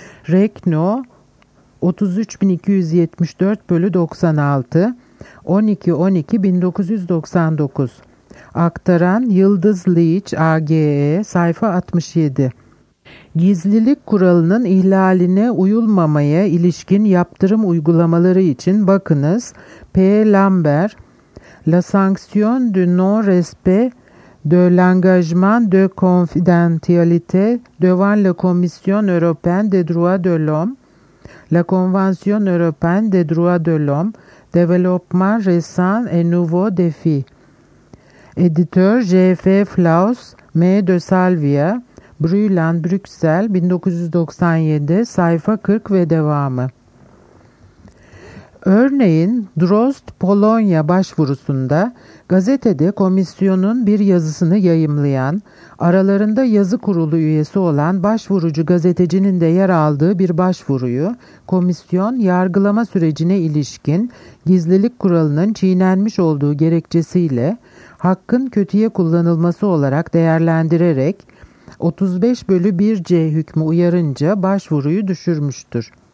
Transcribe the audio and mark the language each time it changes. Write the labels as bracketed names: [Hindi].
[Turkish] Rekno 33274/96 12-12-1999 aktaran Yıldız Leach AGE sayfa 67. Gizlilik kuralının ihlaline uyulmamaya ilişkin yaptırım uygulamaları için bakınız P. [French] Lambert La sanction du non-respect de l'engagement de confidentialité devant la Commission européenne des droits de l'homme, la Convention européenne des droits de l'homme, développement récent et nouveau défi. Éditeur J.F. Flaus, M. [Turkish] de Salvia, Brüylan, Brüksel, 1997, sayfa 40 ve devamı. Örneğin, Drozd Polonya başvurusunda gazetede komisyonun bir yazısını yayımlayan, aralarında yazı kurulu üyesi olan başvurucu gazetecinin de yer aldığı bir başvuruyu, komisyon yargılama sürecine ilişkin gizlilik kuralının çiğnenmiş olduğu gerekçesiyle hakkın kötüye kullanılması olarak değerlendirerek 35/1C hükmü uyarınca başvuruyu düşürmüştür.